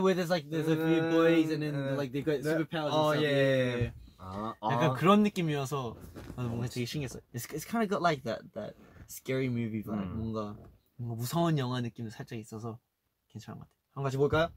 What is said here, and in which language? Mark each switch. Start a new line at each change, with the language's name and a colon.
English: where there's like there's a few boys and then like they got superpowers and stuff. Yeah.
Korean: 그런 느낌이어서 뭔가 되게 신기했어요.
English: It's kind of got like that scary movie vibe.
Korean: 뭔가 무서운 영화 느낌도 살짝 있어서 괜찮은 것 같아요. 한 가지 볼까요?